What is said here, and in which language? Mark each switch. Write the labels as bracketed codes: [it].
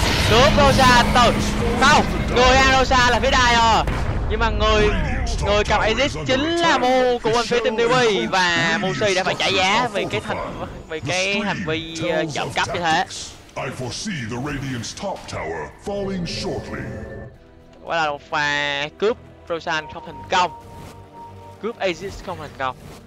[vi] Cướp Roshan từ... Không! Người ăn Roshan là phía Dire. Nhưng mà người cầm Aegis chính là Mu của bên phía team DB. Và Mu Si đã phải trả giá vì cái hành vi trộm cắp như thế. [en] I foresee the Radiant's top tower falling shortly. [vi] Quá là một pha cướp Roshan không thành công. Cướp Aegis không thành công.